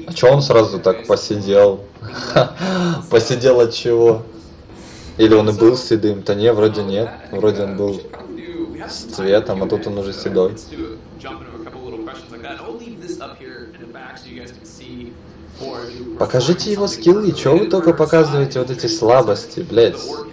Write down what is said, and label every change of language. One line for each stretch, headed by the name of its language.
Russian: А чё он сразу так посидел? Посидел от чего? Или он и был седым? Да не, вроде нет. Вроде он был с цветом, а тут он уже седой.
English: Let's do a jump into a couple little questions like that. I'll leave this up here in the back so you guys can see.
Russian: Покажите его скиллы, чё вы только показываете вот эти слабости, блядь.